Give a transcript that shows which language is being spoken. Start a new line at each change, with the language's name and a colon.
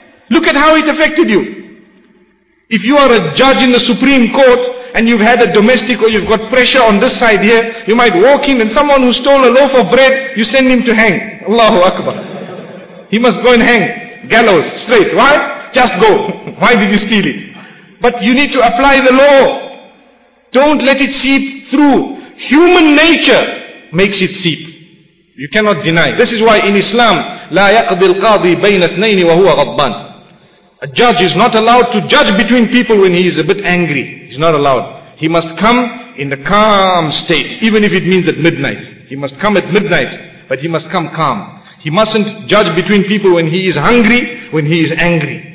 English: Look at how it affected you. If you are a judge in the Supreme Court, and you've had a domestic or you've got pressure on this side here, you might walk in and someone who stole a loaf of bread, you send him to hang. Allahu Akbar. He must go and hang. Gallows, straight. Why? Just go. Why did you steal it? But you need to apply the law. Don't let it seep through. Human nature makes it seep. You cannot deny. This is why in Islam,
Arabic: لا يقضي القاضي بين اثنين وهو غضبان.
English: A judge is not allowed to judge between people when he is a bit angry. He's not allowed. He must come in the calm state, even if it means at midnight. He must come at midnight, but he must come calm. He mustn't judge between people when he is hungry, when he is angry.